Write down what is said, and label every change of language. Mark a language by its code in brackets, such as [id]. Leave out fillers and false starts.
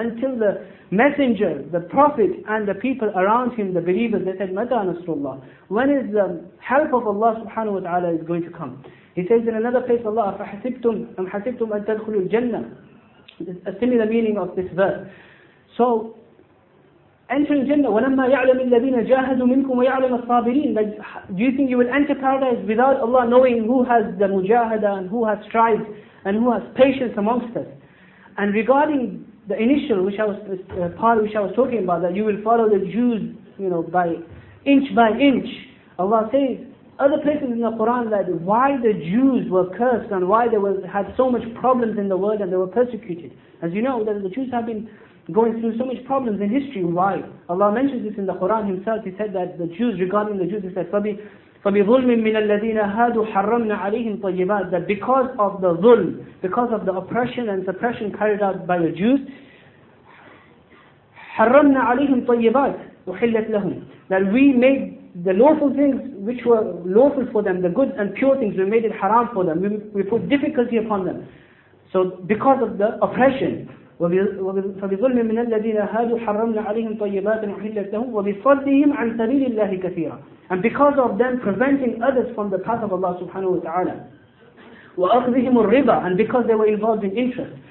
[en] Until the messenger, the prophet, and the people around him, the believers, they said, [ar] مَتَى نَصْرُ اللَّهِ. [en] When is the help of Allah subhanahu wa ta'ala is going to come? He says in another place, Allah, [ar] أَمْ حَسِبْتُمْ أَن تَدْخُلُوا الْجَنَّةِ. [en] A similar meaning of this verse. So, enter [ar] الجنة وَلَمَّا يَعْلَمِ الَّذِينَ جَاهَدُوا مِنْكُمْ وَيَعْلَمَ الصَّابِرِينَ. [en] Do you think you will enter paradise without Allah knowing who has the mujahada and who has strived and who has patience amongst us? And regarding the initial which I was talking about, that you will follow the Jews, you know, by inch by inch, Allah says other places in the Quran that why the Jews were cursed and why they were, had so much problems in the world and they were persecuted. As you know, that the Jews have been going through so much problems in history. Why? Allah mentions this in the Quran himself. He said that the Jews, regarding the Jews, he said, [ar] فَبِظُلْمٍ مِّنَ الَّذِينَ هَادُوا حَرَّمْنَا عَلَيْهِمْ طَيِّبَاتٍ. [en] That because of the zulm, because of the oppression and suppression carried out by the Jews, [ar] حَرَّمْنَا عَلَيْهِمْ طَيِّبَاتٍ وَحِلَّتْ لَهُمْ. [en] That we made the lawful things which were lawful for them, the good and pure things, we made it haram for them. We put difficulty upon them. So because of the oppression, [ar] فبظلم من الذين هادوا حرمنا عليهم طيبات أحلت لهم وبصدهم عن سبيل الله كثيرا. [en] And because of them preventing others from the path of Allah subhanahu wa ta'ala. [ar] وأخذهم الربا. [en] And because they were involved in interest.